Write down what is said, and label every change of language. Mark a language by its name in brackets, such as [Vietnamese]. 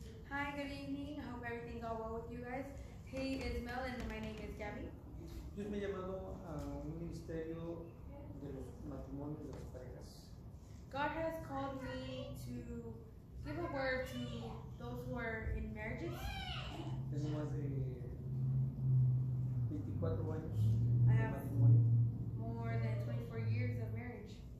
[English] Hi, good evening. I hope everything's all well with you guys. Hey, it's Mel and my name is Gabby. [Spanish] Dios me ha llamado a un ministerio de los matrimonios de las parejas. [English] God has called me to give a word to those who are in marriages. [Spanish] Tengo más de 24 años de matrimonio. [English] More than 24 years of marriage.